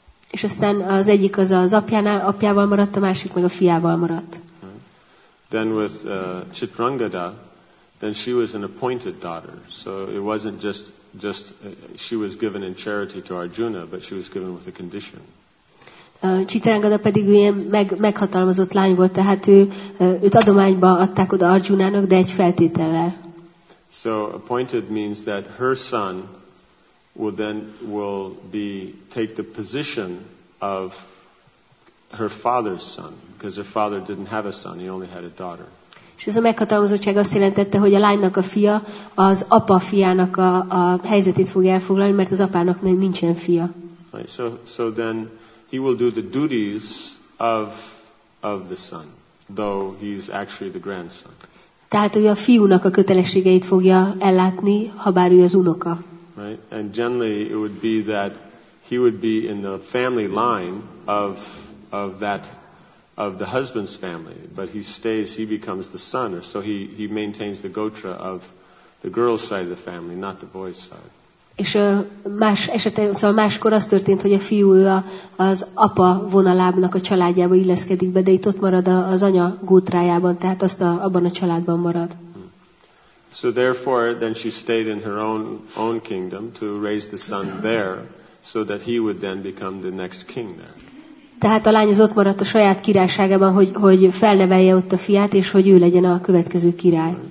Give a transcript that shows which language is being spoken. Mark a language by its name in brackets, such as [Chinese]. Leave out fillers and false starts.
[Hungarian] És aztán az egyik az az apjával maradt, a másik meg a fiával maradt. [English] Then with Chitrangada, then she was an appointed daughter, so it wasn't just she was given in charity to Arjuna, but she was given with a condition. [Hungarian] Chitrangada pedig ilyen meghatalmazott lány volt, tehát őt adományba adták oda Arjunának, de egy feltétellel. [English] So appointed means that her son will take the position of her father's son, because her father didn't have a son, he only had a daughter. [Hungarian] És ez a meghatalmazottság azt jelentette, hogy a lánynak a fia az apa fiának a helyzetét fog elfoglalni, mert az apának nincsen fia. [English] Right, so then he will do the duties of the son, though he's actually the grandson. [Hungarian] Tehát ő a fiúnak a kötelességeit fogja ellátni, habár ő az unoka. [English] Right, and generally it would be that he would be in the family line of the husband's family, but he stays, he becomes the son, or so he maintains the gotra of the girl's side of the family, not the boy's side. [Hungarian] És más esetben, szóval máskor az történt, hogy a fiú az apa vonalának a családjába illeszkedik be, de itt ott marad az anya gótrájában, tehát azt abban a családban marad. [English] So therefore, then she stayed in her own kingdom to raise the son there, so that he would then become the next king there. [Hungarian] Tehát a lány az ott maradt a saját királyságában, hogy felnevelje ott a fiát, és hogy ő legyen a következő király.